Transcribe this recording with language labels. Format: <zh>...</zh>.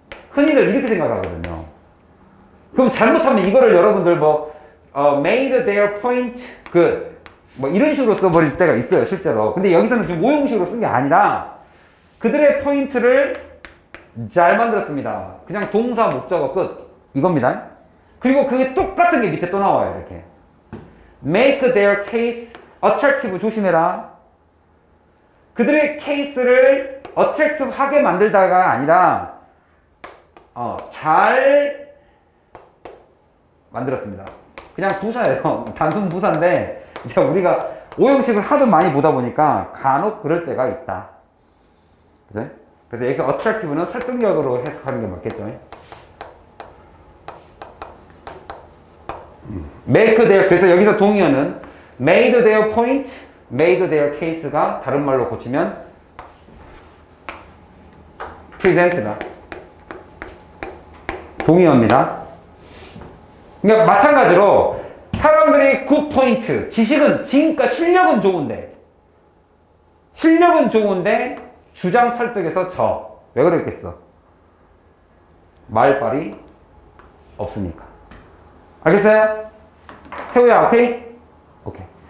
<ko>흔히들 이렇게 생각하거든요. 그럼 잘못하면 이거를 여러분들 뭐</ko> <en>made their point good</en> <ko>뭐 이런 식으로 써버릴 때가 있어요, 실제로. 근데 여기서는 지금 모형식으로 쓴 게 아니라 그들의 포인트를 잘 만들었습니다. 그냥 동사 목적어 끝. 이겁니다. 그리고 그게 똑같은 게 밑에 또 나와요, 이렇게.</ko> <en>Make their case attractive.</en> <ko>조심해라. 그들의 케이스를 attractive 하게 만들다가 아니라 잘 만들었습니다. 그냥 부사예요. 단순 부사인데 이제 우리가 오형식을 하도 많이 보다 보니까 간혹 그럴 때가 있다. 그치? 그래서 여기서 attractive는 설득력으로 해석하는 게 맞겠죠. Make their, 그래서 여기서 동의어는</ko> <en>made their point, made their case</en> <ko>가 다른 말로 고치면 present다. 동의어입니다. 그러니까 마찬가지로 사람들이 good point, 지식은 지금까지 실력은 좋은데 실력은 좋은데 주장 설득에서 져. 왜 그랬겠어? 말빨이 없으니까. 알겠어요? 태우야, 오케이? 오케이.</ko>